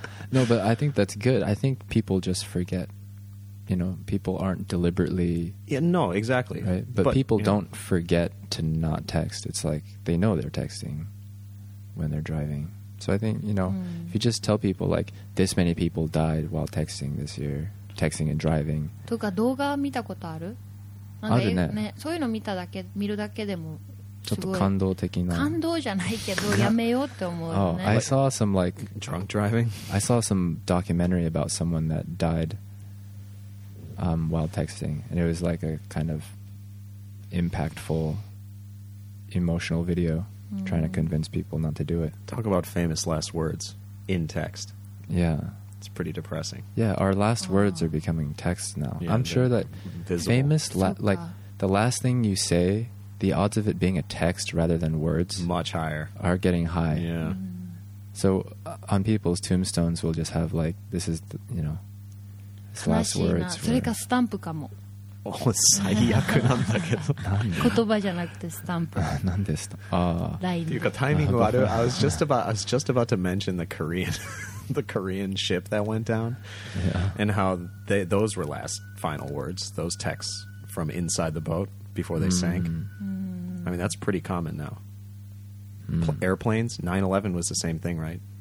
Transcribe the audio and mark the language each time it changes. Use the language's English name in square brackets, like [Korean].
[English] No, but I think that's good. I think people just forget. You know, people aren't deliberately... Yeah, no, exactly. Right? But people don't forget to not text. It's like they know they're texting when they're driving. So I think, you know, if you just tell people, like, this many people died while texting this year, texting and driving. [Japanese] とか動画見たことある? あるね。そういうの見るだけでも...ちょっと感動的な感動じゃないけどやめようって思うよね [English] Oh, I saw some like drunk driving. I saw some documentary about someone that died while texting, and it was like a kind of impactful emotional video trying to convince people not to do it. Talk about famous last words in text. Yeah, it's pretty depressing. Yeah, our last words are becoming texts now. Yeah, I'm sure that visible. Famous like the last thing you say, the odds of it being a text rather than words... Much higher. ...are getting high. Yeah. So on people's tombstones, we'll just have, like, this is, you know, it's last words. [Japanese] それかスタンプかも. Oh, 最悪なんだけど。言葉じゃなくてスタンプ. なんでスタンプ。っていうかタイミング悪い。 [English] I was just about to mention the Korean... the Korean ship that went down. Yeah. And how those were last final words, those texts from inside the boat. Before they sank. I mean, that's pretty common now. Airplanes, 9/11 was the same thing, right?